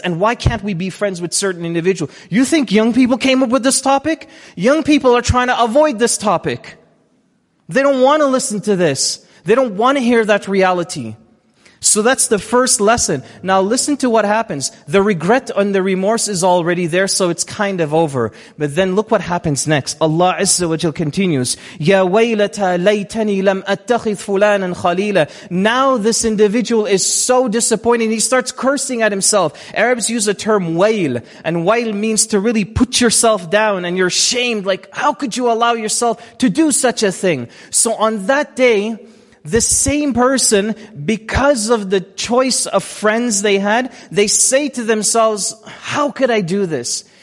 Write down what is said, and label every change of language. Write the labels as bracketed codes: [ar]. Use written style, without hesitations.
[en] And why can't we be friends with certain individuals? You think young people came up with this topic? Young people are trying to avoid this topic. They don't want to listen to this. They don't want to hear that reality. So that's the first lesson. Now listen to what happens. The regret and the remorse is already there, so it's kind of over. But then look what happens next. [ar] Allah Azza wa Jal continues, يَا وَيْلَتَا لَيْتَنِي لَمْ أَتَّخِذْ فُلَانًا خَلِيلًا. [en] Now this individual is so disappointed, he starts cursing at himself. Arabs use the term wail, and wail means to really put yourself down, and you're shamed, like, how could you allow yourself to do such a thing? So on that day, the same person, because of the choice of friends they had, they say to themselves, how could I do this?